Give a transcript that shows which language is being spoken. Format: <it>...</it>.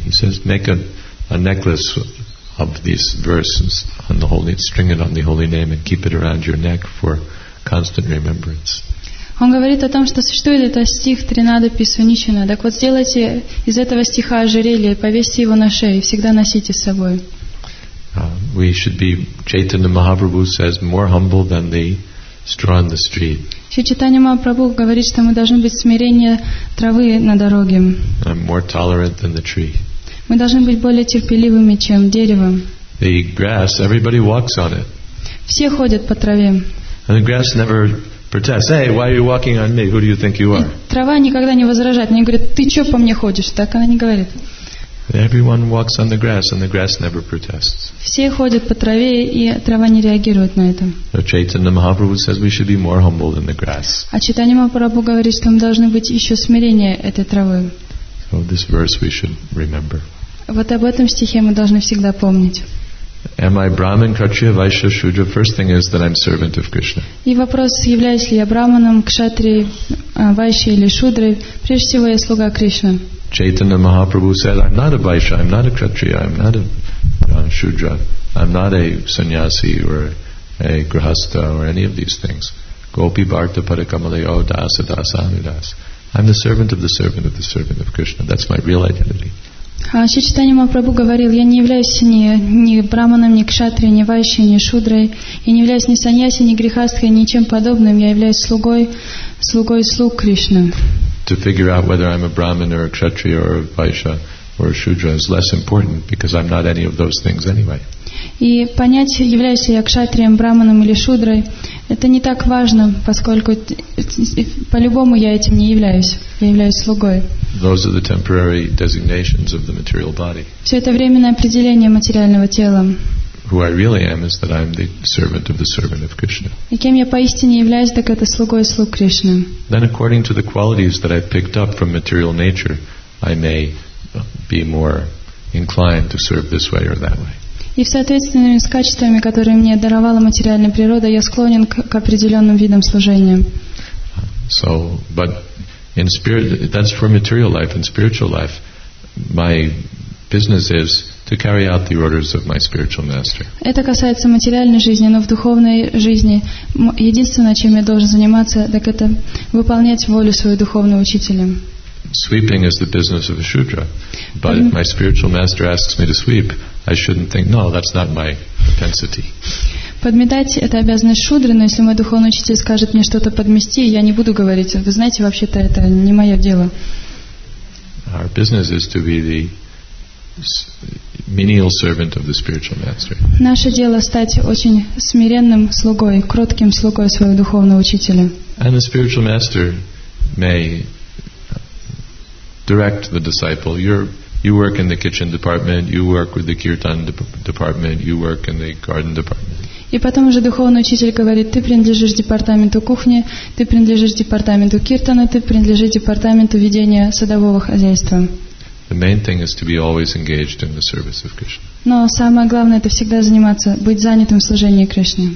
<en>He says, make a necklace of these verses on the holy, string it on the holy name and keep it around your neck for constant remembrance.</en> <ru>Он говорит о том, что существует этот стих Тринадапи Суничина. Так вот, сделайте из этого стиха ожерелье, повесьте его на шею и всегда носите с собой.</ru> <en>We should be, Chaitanya Mahaprabhu says, more humble than the straw on the street.</en> <ru>Шри Чайтанья Махапрабху говорит, что мы должны быть смиреннее травы на дороге.</ru> <en>More tolerant than the tree.</en> <ru>Мы должны быть более терпеливыми, чем дерево.</ru> <en>The grass, everybody walks on it.</en> <ru>Все ходят по траве.</ru> <en>And the grass never protests. Hey, why are you walking on me? Who do you think you are?</en> <ru>Трава никогда не возражает. Они говорят, ты что по мне ходишь? Так она не говорит.</ru> <en>Everyone walks on the grass, and the grass never protests.</en> <ru>Все ходят по траве, и трава не реагирует на это.</ru> <en>So Chaitanya Mahaprabhu says we should be more humble than the grass.</en> <ru>А Чайтанья Махапрабху говорит, что мы должны быть еще смиреннее этой травы.</ru> <en>So this verse we should remember.</en> <ru>Вот об этом стихе мы должны всегда помнить.</ru> <en>Am I Brahmin, Kshatriya, Vaishya, Shudra? First thing is that I'm servant of Krishna.</en> <ru>И вопрос, являюсь ли я Брахманом, Кшатрией, Вайшей или Шудрой? Прежде всего, я слуга Кришны.</ru> <en>Chaitanya Mahaprabhu said, I'm not a Vaishya, I'm not a Kshatriya, I'm not a Shudra, I'm not a sannyasi or a grihastha or any of these things.</en> <sa>Gopi Bharta Parakamalayo Dasa Dasa Anudas.</sa> <en>I'm the servant of the servant of the servant of Krishna. That's my real identity.</en> <ru>Шри Чайтанья Махапрабху говорил, я не являюсь ни Брахманом, ни Кшатрией, ни Вайшей, ни Шудрой, я не являюсь ни саньяси, ни грихастхой, ничем подобным, я являюсь слугой слуг Кришны.</ru> <en>To figure out whether I'm a Brahmin or a Kshatriya or a Vaishya or a Shudra is less important because I'm not any of those things anyway.</en> <ru>И понять, являюсь ли я Кшатрием, Брахманом или Шудрой, это не так важно, поскольку по-любому я этим не являюсь. Я являюсь слугой.</ru> <en>Those are the temporary designations of the material body.</en> <ru>Все это временное определение материального тела.</ru> <en>Who I really am is that I'm the servant of the servant of Krishna.</en> <ru>И кем я поистине являюсь, так это слугой слуг Кришны.</ru> <en>Then according to the qualities that I've picked up from material nature, I may be more inclined to serve this way or that way.</en> <ru>И в соответствии с качествами, которые мне даровала материальная природа, я склонен к определенным видам служения.</ru> <en>So, but in spirit, that's for material life. In spiritual life, my business is to carry out the orders of my spiritual master.</en> <ru>Это касается материальной жизни, но в духовной жизни единственное, чем я должен заниматься, так это выполнять волю своего духовного учителя.</ru> <en>Sweeping is the business of a shudra, but if my spiritual master asks me to sweep, I shouldn't think, no, that's not my propensity.</en> <ru>Подметать это обязанность шудры, но если мой духовный учитель скажет мне что-то подмести, я не буду говорить. Вы знаете, вообще-то это не мое дело.</ru> <en>Our business is to be the menial servant of the spiritual master.</en> <ru>Наше дело стать очень смиренным слугой, кротким слугой своего духовного учителя.</ru> <en>And the spiritual master may direct the disciple. You work in the kitchen department, you work with the kirtan department, you work in the garden department.</en> <ru>И потом уже духовный учитель говорит, ты принадлежишь департаменту кухни, ты принадлежишь департаменту киртана, ты принадлежишь департаменту ведения садового хозяйства.</ru> <en>The main thing is to be always engaged in the service of Krishna.</en> <ru>Но самое главное, это всегда заниматься, быть занятым в служении Кришне.</ru>